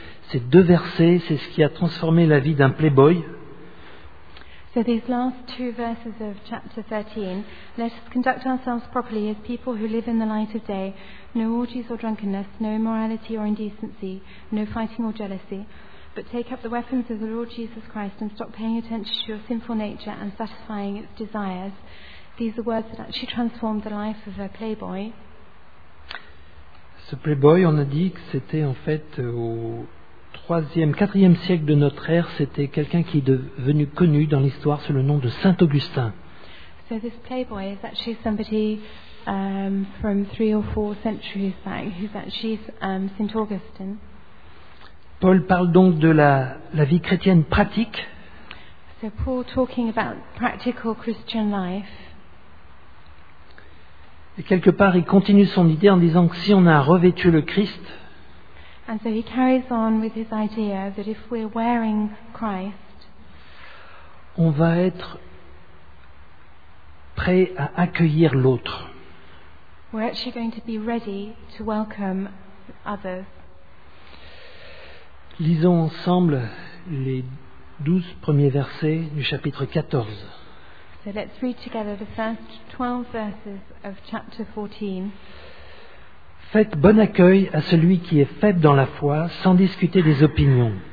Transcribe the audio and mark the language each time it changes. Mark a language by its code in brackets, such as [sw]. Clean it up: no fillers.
[fr] Ces deux versets, c'est ce qui a transformé la vie d'un playboy. [en] So these last two verses of chapter 13, let us conduct ourselves properly as people who live in the light of day, no orgies or drunkenness, no immorality or indecency, no fighting or jealousy, but take up the weapons of the Lord Jesus Christ and stop paying attention to your sinful nature and satisfying its desires. These are words that actually transformed the life of a playboy. [fr] Ce playboy, on a dit que c'était en fait au 3e, 4e siècle de notre ère, c'était quelqu'un qui est devenu connu dans l'histoire sous le nom de Saint Augustin. [en] So this playboy is actually somebody from 3 or 4 centuries back, who's actually Saint Augustine. [fr] Paul parle donc de la vie chrétienne pratique. [en] So Paul talking about practical Christian life. [fr] Et quelque part, il continue son idée en disant que si on a revêtu le Christ. [en] And so he carries on with his idea that if we're wearing Christ, [fr] on va être prêt à accueillir l'autre. [en] We're actually going to be ready to welcome others. [fr] Lisons ensemble les 12 premiers versets du chapitre 14. [en] So let's read together the first 12 verses of chapter 14. [fr] Faites bon accueil à celui qui est faible dans la foi, sans discuter des opinions.